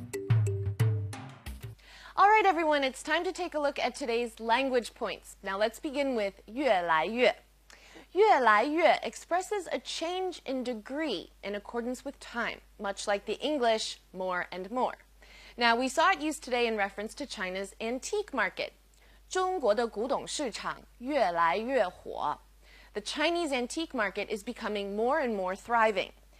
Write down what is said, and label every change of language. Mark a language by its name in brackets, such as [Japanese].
[English] All right, everyone, it's time to take a look at today's language points. Now let's begin with 越来越.越来越 expresses a change in degree in accordance with time, much like the English more and more. Now, we saw it used today in reference to China's antique market. [Chinese] 中国的古董市场越来越火. [English] The Chinese antique market is becoming more and more thriving.